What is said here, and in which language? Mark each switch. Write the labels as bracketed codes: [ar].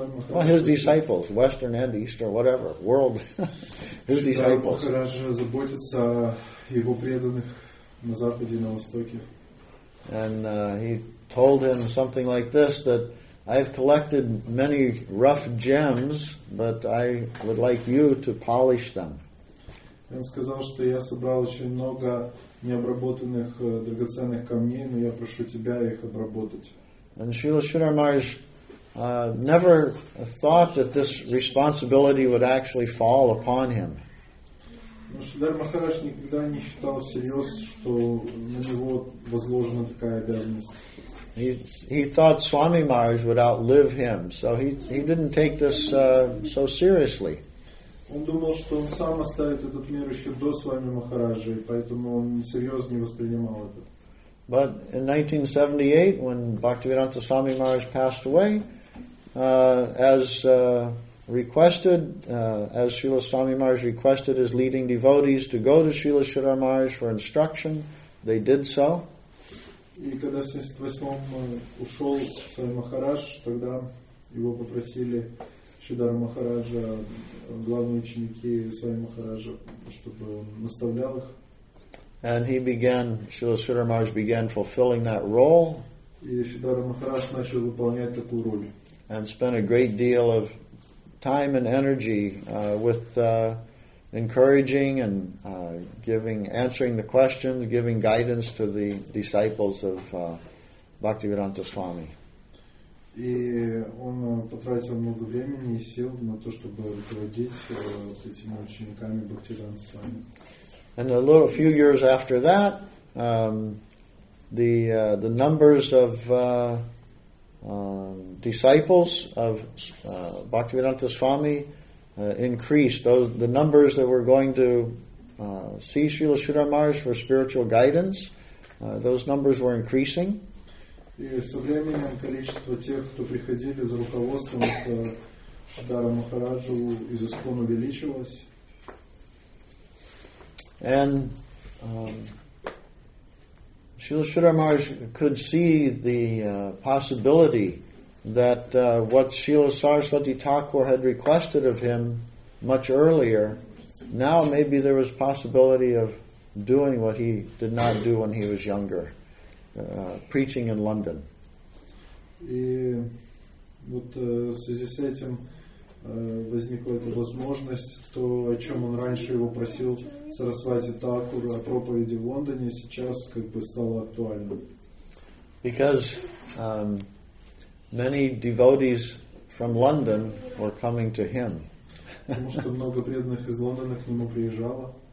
[en] Well, his disciples, Western and Eastern, whatever, world, his disciples. [ru] Srila Maharaj заботится о его преданных на Западе и на Востоке. [en] And he told him something like this, that I've collected many rough gems, but I would like you to polish them. [ru] Он сказал, что я собрал очень много необработанных драгоценных камней, но я прошу тебя их обработать. [en] And Srila Sridhar Maharaj never thought that this responsibility would actually fall upon him. [ru] Шридхар Махарадж никогда не считал всерьез, что на него возложена такая обязанность. [en] He thought Swami Maharaj would outlive him, so he didn't take this so seriously. [ru] Он думал, что он сам оставит этот мир еще до Свами Махараджа, и поэтому он серьезно не воспринимал это. [en] But in 1978, when Bhaktivedanta Swami Maharaj passed away, as Srila Swami Maharaj requested his leading devotees to go to Srila Sridhar Maharaj for instruction, they did so. [ru] И когда в 78-м ушел Свами Махарадж, тогда его попросили Шридхара Махараджа, главные ученики Свами Махараджа, чтобы он наставлял их. [en] And he began, Srila Sridhar Maharaj began fulfilling that role. [ru] И Шридхара Махарадж начал выполнять такую роль. [en] And spent a great deal of time and energy with encouraging and answering the questions, giving guidance to the disciples of Bhaktivedanta Swami. [ru] И он потратил много времени и сил на то, чтобы руководить этими учениками Бхактивиданта Свами. [en] And a little few years after that, the numbers of disciples of Bhaktivedanta Swami increased. Those the numbers that were going to see Srila Sridhar Maharaj for spiritual guidance, those numbers were increasing. [ru] И со временем количество тех, кто приходили за руководством к Шридхару Махараджу, из Искон увеличилось. [en] And Srila Sridhar Maharaj could see the possibility that what Srila Saraswati Thakur had requested of him much earlier, now maybe there was possibility of doing what he did not do when he was younger, preaching in London. [ru] И вот в связи с этим возникла эта возможность, то, о чем он раньше его просил, Сарасвати Такур, о проповеди в Лондоне, сейчас как бы стало актуальным. [en] Because many devotees from London were coming to him. [ru] Потому что много преданных из Лондона к нему приезжало.